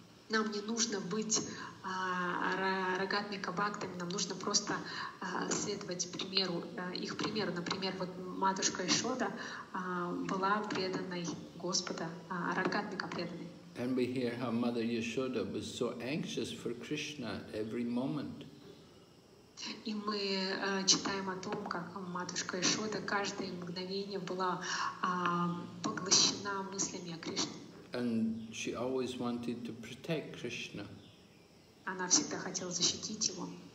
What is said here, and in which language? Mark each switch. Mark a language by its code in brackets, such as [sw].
[ru] Нам не нужно быть рагатмика бхактами, нам нужно просто следовать примеру, их примеру. Например, вот матушка Ишода была преданной Господа, рагатмика преданной. [en] And we hear how Mother Yashoda was so anxious for Krishna every moment. [ru] И мы читаем о том, как матушка Ишода каждое мгновение была поглощена мыслями о Кришне. [en] And she always wanted to protect Krishna. [ru] Она всегда хотела защитить его.